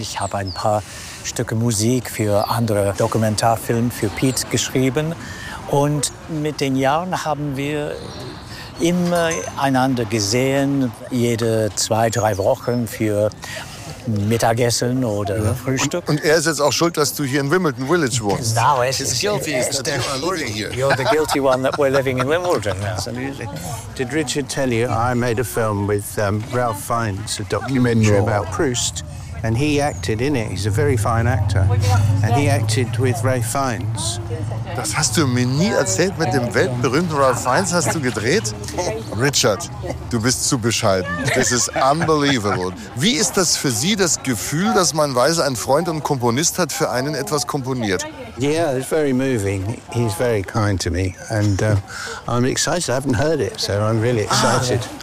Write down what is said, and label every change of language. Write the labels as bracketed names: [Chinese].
[German] Ich habe ein paar Stücke Musik für andere Dokumentarfilme für Pete geschrieben. Und mit den Jahren haben wir immer einander gesehen, jede zwei, drei Wochen für Mittagessen oder Frühstück. Und er ist jetzt auch schuld, dass du hier in Wimbledon Village wohnst. Genau, es ist guilty, ist der Lorde hier. [English] You're the guilty one that we're living in Wimbledon. Did Richard tell you I made a film with Ralph Fiennes, a documentary about Proust, and he acted in it. He's a very fine actor. And he acted with Ralph Fiennes. [German] Das hast du mir nie erzählt, mit dem weltberühmten Ralph Fiennes hast du gedreht? Richard, du bist zu bescheiden. [English] This is unbelievable. [German] Wie ist das für Sie, das Gefühl, dass man weiß, ein Freund und Komponist hat für einen etwas komponiert? [English] Yeah, it's very moving. He's very kind to me. And I'm excited. I haven't heard it, so I'm really excited.